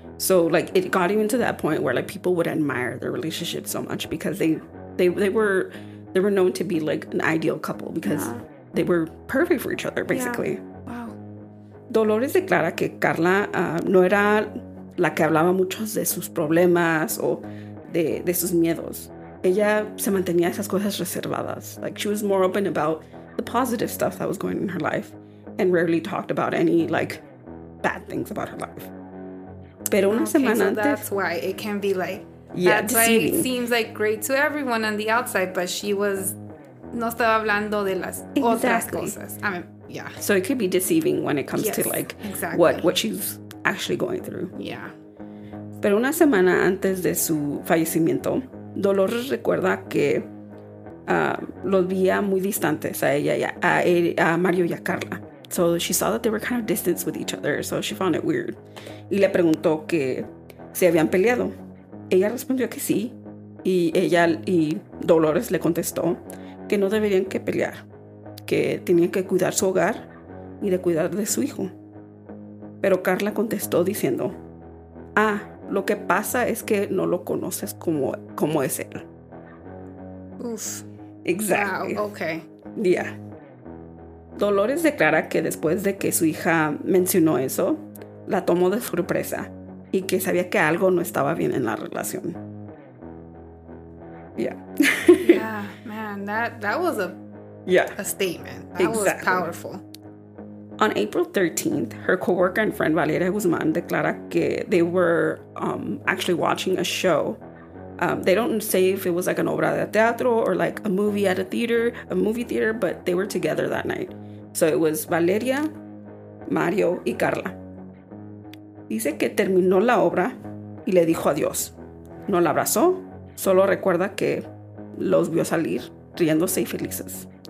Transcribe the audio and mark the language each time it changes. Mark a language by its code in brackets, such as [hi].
[en] So like it got even to that point where like people would admire their relationship so much because they were known to be like an ideal couple because they were perfect for each other basically. Yeah. Wow. [es] Dolores declara que Karla no era la que hablaba muchos de sus problemas o de sus miedos. Ella se mantenía esas cosas reservadas. [en] Like, she was more open about the positive stuff that was going on in her life and rarely talked about any, like, bad things about her life. [es] Pero una semana antes... [en] Okay, so that's why it can be, like... Yeah, that's deceiving. Why it seems, like, great to everyone on the outside, but she was... [es] No estaba hablando de las otras cosas. [en] I mean, yeah. So it could be deceiving when it comes to, like, exactly. what she's actually going through. Yeah. [es] Pero una semana antes de su fallecimiento... Dolores recuerda que los veía muy distantes a ella y a Mario y a Karla. [en] So she saw that they were kind of distanced with each other, so she found it weird. [es] Y le preguntó que si habían peleado. Ella respondió que sí, y ella y Dolores le contestó que no deberían que pelear, que tenían que cuidar su hogar y de cuidar de su hijo. Pero Karla contestó diciendo, ah, lo que pasa es que no lo conoces como es él. Uf. [en] Exactly. Wow, okay. Yeah. [es] Dolores declara que después de que su hija mencionó eso, la tomó de sorpresa y que sabía que algo no estaba bien en la relación. [en] Yeah. Yeah, man, that was a, yeah. a statement. That exactly. was powerful. On April 13th, her coworker and friend Valeria Guzmán [es] declara que [en] they were actually watching a show. They don't say if it was like an [es] obra de teatro [en] or like a movie theater, but they were together that night. So it was Valeria, Mario y Karla. [es] Dice que terminó la obra y le dijo adiós. No la abrazó, solo recuerda que los vio salir riéndose y felices.